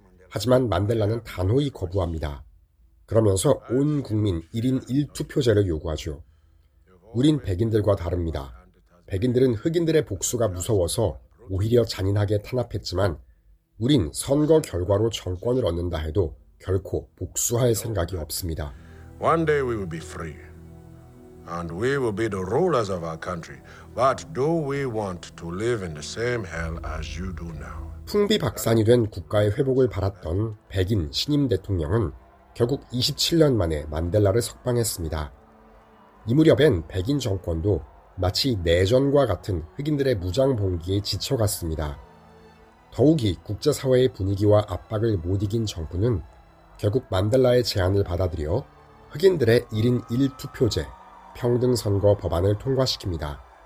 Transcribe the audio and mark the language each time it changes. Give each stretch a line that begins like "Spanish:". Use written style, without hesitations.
Korean: 하지만 만델라는 단호히 거부합니다. 그러면서 온 국민 1인 1투표제를 요구하죠. 우린 백인들과 다릅니다. 백인들은 흑인들의 복수가 무서워서 오히려 잔인하게 탄압했지만 우린 선거 결과로 정권을 얻는다 해도 결코 복수할 생각이 없습니다.
English: One day we will be free. And we will be the rulers of our country. But do we want to live in the same hell as you do now?
Korean: 풍비박산이 된 국가의 회복을 바랐던 백인 신임 대통령은 결국 27년 만에 만델라를 석방했습니다. 이 무렵엔 백인 정권도 마치 내전과 같은 흑인들의 무장봉기에 지쳐갔습니다. 더욱이 국제사회의 분위기와 압박을 못 이긴 정부는 결국 만델라의 제안을 받아들여 흑인들의 1인 1투표제, 평등선거 법안을 통과시킵니다.